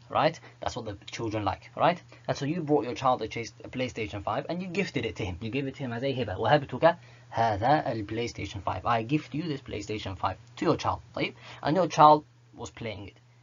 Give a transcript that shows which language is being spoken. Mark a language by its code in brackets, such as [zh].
[en] Right, that's what the children like, right? And so you brought your child a PlayStation 5 and you gifted it to him. You gave it to him as a hibah. [ar] وَهَبْتُكَ هَذَا الْPlayStation 5. [en] I gift you this PlayStation 5 to your child, right? And your child was playing it.